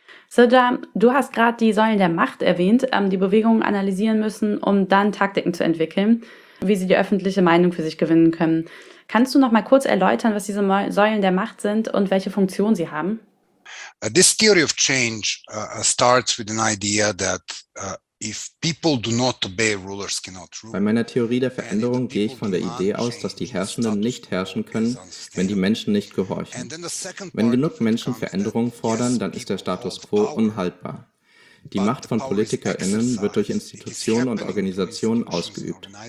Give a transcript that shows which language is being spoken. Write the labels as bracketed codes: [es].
[de] Sirja, du hast gerade die Säulen der Macht erwähnt, die Bewegungen analysieren müssen, um dann Taktiken zu entwickeln, wie sie die öffentliche Meinung für sich gewinnen können. Kannst du noch mal kurz erläutern, was diese Säulen der Macht sind und welche Funktion sie haben? [en] This theory of change starts with an idea that if people do not obey, rulers cannot rule. [de] Bei meiner Theorie der Veränderung gehe ich von der Idee aus, dass die Herrschenden nicht herrschen können, wenn die Menschen nicht gehorchen. Wenn genug Menschen Veränderungen fordern, dann ist der Status quo unhaltbar. Die Macht von PolitikerInnen wird durch Institutionen und Organisationen ausgeübt.